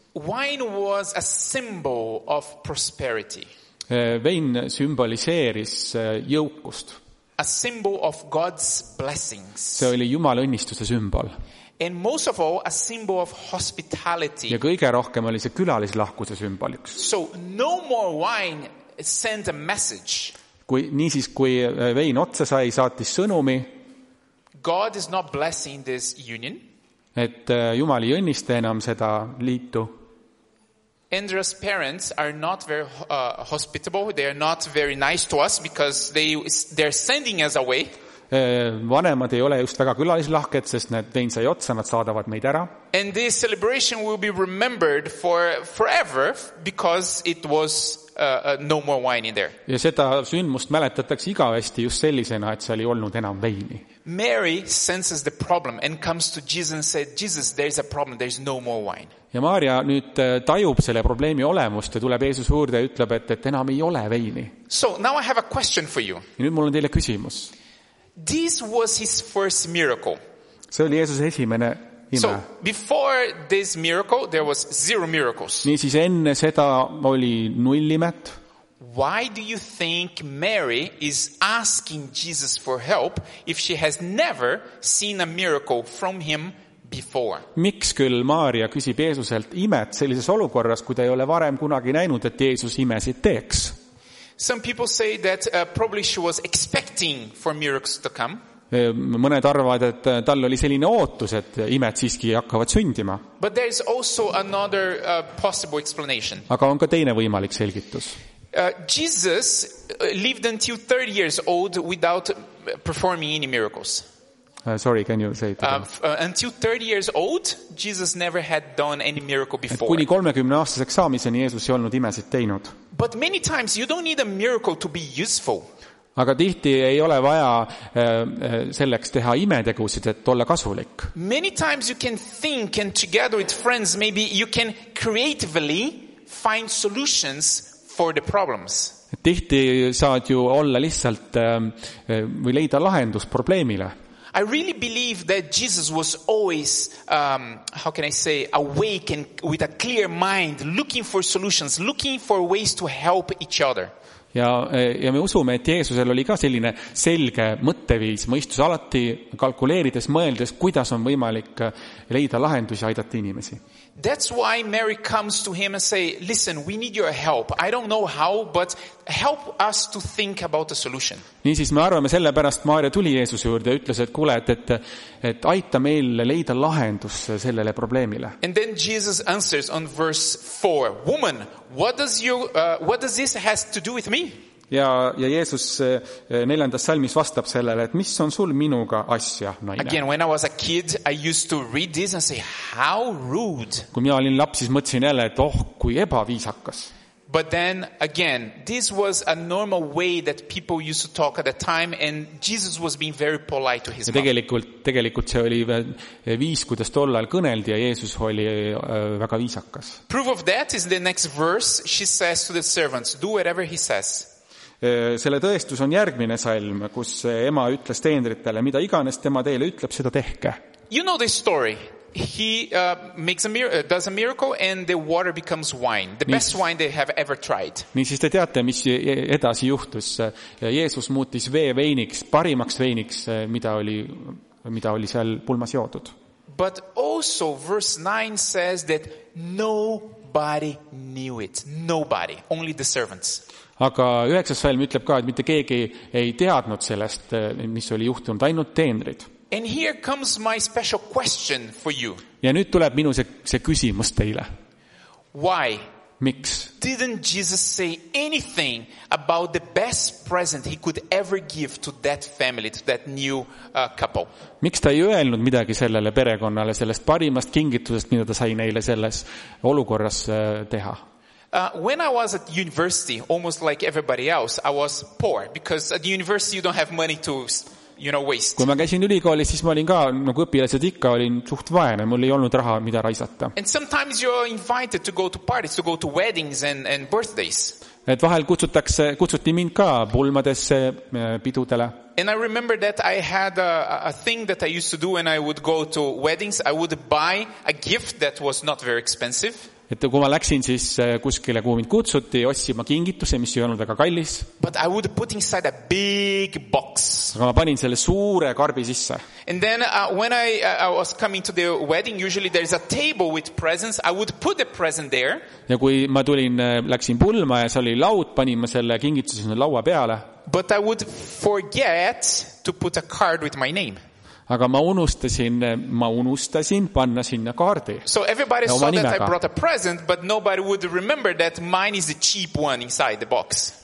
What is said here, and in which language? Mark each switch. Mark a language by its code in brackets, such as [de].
[en] Wine was a symbol of prosperity. [et] Vein sümboliseeris jõukust. [en] A symbol of God's blessings. [et] See oli Jumala õnnistuse sümbol. [en] And most of all, a symbol of hospitality. [et] Ja kõige rohkem oli see külalislahkuse sümbol üks. [en] So no more wine sent a message. [et] Kui nii siis, kui vein otsa sai, saatis sõnumi. [en] God is not blessing this union. [et] Et Jumal ei õnnista enam seda liitu. [en] Andrew's parents are not very hospitable. They are not very nice to us because they're sending us away. [et] Vanemad ei ole just väga külalislahked, sest need vein sai otsa, nad saadavad meid ära. [en] And this celebration will be remembered for forever because it was no more wine in there. [et] Ja seda sündmust mäletatakse igavesti just sellisena, et see oli olnud enam veini. [en] Mary senses the problem and comes to Jesus and said, Jesus, there is a problem, there is no more wine. [et] Ja Maria nüüd tajub selle probleemi olemust ja tuleb Jeesus juurde ja ütleb, et enam ei ole veini. [en] So now I have a question for you. [et] Ja nüüd mul on teile küsimus. [en] This was his first miracle. [et] See oli Jeesus esimene ime. [en] So before this miracle, there was zero miracles. [et] Nii siis enne seda oli nullimet. [en] Why do you think Mary is asking Jesus for help if she has never seen a miracle from him before? [et] Miks küll Maria küsib Jeesuselt imet sellises olukorras, kui ta ei ole varem kunagi näinud, et Jeesus imesid teeks? [en] Some people say that probably she was expecting for miracles to come. [et] Mõned arvavad, et tal oli selline ootus, et imed siiski hakkavad sündima. [en] But there is also another possible explanation. [et] Aga on ka teine võimalik selgitus. [en] Jesus lived until 30 years old without performing any miracles. Sorry, can you say it again? Until 30 years old, Jesus never had done any miracle before. [et] Et kuni 30 aastaseks saamiseni Jeesus ei olnud imesid teinud. [en] But many times you don't need a miracle to be useful. [et] Aga tihti ei ole vaja selleks teha imetegusid, et olla kasulik. [en] Many times you can think and together with friends maybe you can creatively find solutions for the problems. [et] Tihti saad ju olla lihtsalt või leida lahendus probleemile. [en] I really believe that Jesus was always how can I say awake and with a clear mind looking for solutions, looking for ways to help each other. [et] Ja me usume, et Jeesusel oli ka selline selge mõtteviis, mõistus alati kalkuleerides, mõeldes, kuidas on võimalik leida lahendusi ja aidata inimesi. [en] That's why Mary comes to him and say, listen, we need your help. I don't know how, but help us to think about a solution. [et] Nii siis me arvame sellepärast, Maria tuli Jeesuse juurde ja ütles, et kuule, et aita meil leida lahendus sellele probleemile. [en] And then Jesus answers on verse 4. Woman, what does this has to do with me? [et] Ja Jeesus neljandas salmis vastab sellele, et mis on sul minuga asja, naine? [en] Again, when I was a kid, I used to read this and say, how rude. [et] Kui mina olin laps, siis mõtsin jälle, et oh, kui ebaviisakas. [en] But then, again, this was a normal way that people used to talk at the time and Jesus was being very polite to his mom. [et] Tegelikult see oli viis, kuidas tollal kõneldi ja Jeesus oli väga viisakas. [en] Proof of that is the next verse. She says to the servants, do whatever he says. [et] Selle tõestus on järgmine salm, kus ema ütles teenritele, mida iganes tema teile ütleb, seda tehke. [en] You know this story. He does a miracle and the water becomes wine. The best wine they have ever tried. [et] Nii siis te teate, mis edasi juhtus. Jeesus muutis vee veiniks, parimaks veiniks, mida oli seal pulmas joodud. [en] But also verse 9 says that nobody knew it. Nobody. Only the servants. [et] Aga üheksas salm ütleb ka, et mitte keegi ei teadnud sellest, mis oli juhtunud, ainult teenrid. [en] And here comes my special question for you. [et] Ja nüüd tuleb minu see küsimus teile. [en] Why? [et] Miks? [en] Didn't Jesus say anything about the best present he could ever give to that family, to that new couple? [et] Miks ta ei öelnud midagi sellele perekonnale, sellest parimast kingitusest, mida ta sai neile selles olukorras teha? [en] When I was at university, almost like everybody else, I was poor because at the university you don't have money to, you know, waste. [et] Kui ma käisin ülikooli, siis ma olin ka, nagu õpilased ikka, olin suht vaene, mul ei olnud raha, mida raisata. [en] And sometimes you're invited to go to parties, to go to weddings and birthdays. [et] Et vahel kutsuti mind ka pulmadesse pidudele. [en] And I remember that I had a thing that I used to do when I would go to weddings. I would buy a gift that was not very expensive. [et] Et kui ma läksin siis kuskile, kuhu mind kutsuti, ostsin kingituse, mis ei olnud väga kallis. [en] But I would put inside a big box. [et] Aga ma panin selle suure karbi sisse. [en] And then when I was coming to the wedding, usually there is a table with presents. I would put the present there. [et] Ja kui ma tulin, läksin pulma ja see oli laud, panin ma selle kingituse sinna laua peale. [en] But I would forget to put a card with my name. [et] Aga ma unustasin panna sinna kaardi. [en] So everybody saw [et] nimega. [en] That I brought a present, but nobody would remember that mine is the cheap one inside the box.